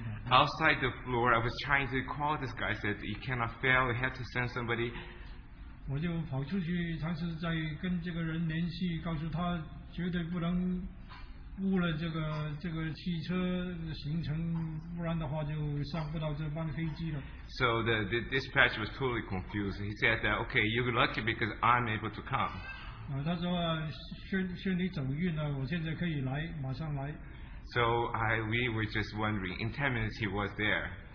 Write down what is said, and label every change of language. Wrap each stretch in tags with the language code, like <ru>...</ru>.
<en>Outside the floor, I was trying to call this guy. I said, you cannot fail. You have to send somebody.</en> <zh>我就跑出去尝试再跟这个人联系，告诉他绝对不能 误了这个汽车的行程，不然的话就上不到这班飞机了。</zh> <en>So the dispatcher was totally confused. He said that, okay, you're lucky because I'm able to come.</en> <zh>他说，宣你走运了，我现在可以来，马上来。</zh> <en>So we were just wondering, in 10 minutes he was there.</en>